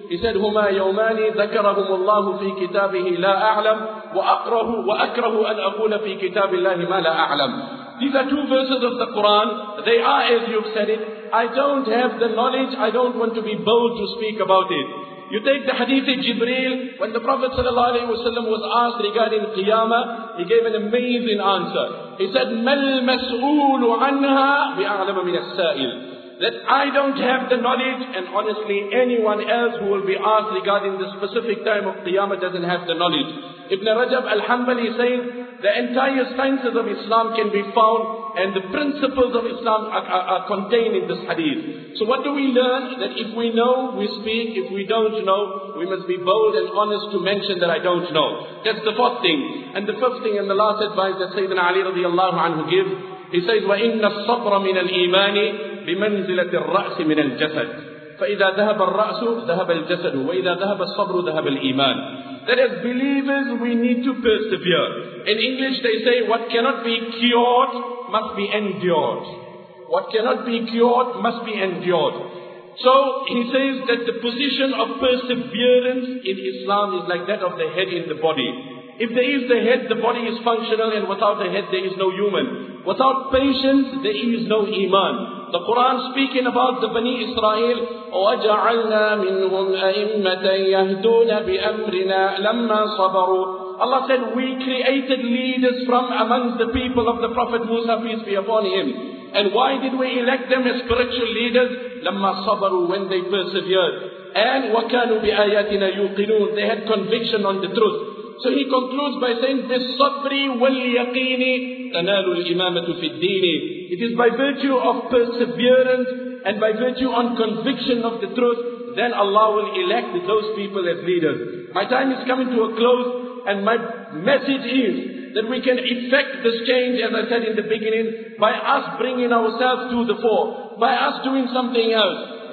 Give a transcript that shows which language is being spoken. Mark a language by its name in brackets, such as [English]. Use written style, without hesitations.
[English] He said, [Arabic] هُمَا يَوْمَانِ ذَكَرَهُمُ اللَّهُ فِي كِتَابِهِ لَا أَعْلَمْ وَأَكْرَهُ أَنْ أَقُولَ فِي كِتَابِ اللَّهِ مَا لَا أَعْلَمْ. [English] These are two verses of the Quran. They are as you've said it. I don't have the knowledge. I don't want to be bold to speak about it. You take the hadith of Jibreel. When the Prophet ﷺ was asked regarding Qiyamah, he gave an amazing answer. He said, [Arabic] مَلْ مَسْعُولُ عَنْهَا بِأَعْلَمَ مِنَ السَّائِلِ. [English] That I don't have the knowledge, and honestly, anyone else who will be asked regarding the specific time of Qiyamah doesn't have the knowledge. Ibn Rajab al-Hanbali says, the entire sciences of Islam can be found, and the principles of Islam are contained in this hadith. So what do we learn? That if we know, we speak. If we don't know, we must be bold and honest to mention that I don't know. That's the fourth thing. And the fifth thing, and the last advice that Sayyidina Ali radiallahu anhu gives, he says, [Arabic] وَإِنَّ الصَّبْرَ مِنَ الْإِيمَانِ بِمَنْزِلَةِ الرَّأْسِ مِنَ الْجَسَدِ فَإِذَا ذَهَبَ الرَّأْسُ ذَهَبَ الْجَسَدُ وَإِذَا ذَهَبَ الصَّبْرُ ذَهَبَ الْإِيمَانِ. [English] That as believers, we need to persevere. In English, they say, what cannot be cured must be endured. What cannot be cured must be endured. So he says that the position of perseverance in Islam is like that of the head in the body. If there is the head, the body is functional, and without the head, there is no human. Without patience, there is no iman. The Quran speaking about the Bani Israel, [Arabic] وَجَعَلْنَا مِنْهُمْ أَئِمَّةً يَهْدُونَ بِأَمْرِنَا لَمَّا صَبَرُوا. [English] Allah said, we created leaders from amongst the people of the Prophet Musa, peace be upon him. And why did we elect them as spiritual leaders? [Arabic] لَمَّا صَبَرُوا, [English] when they persevered. And [Arabic] وَكَانُوا بِآيَاتِنَا يُوقِنُونَ, [English] they had conviction on the truth. So he concludes by saying, [Arabic] بِالصَّبْرِ وَالْيَقِينِ تَنَالُ الْإِمَامَةُ فِي الدِّينِ. [English] It is by virtue of perseverance and by virtue on conviction of the truth, then Allah will elect those people as leaders. My time is coming to a close, and my message is that we can effect this change, as I said in the beginning, by us bringing ourselves to the fore, by us doing something else.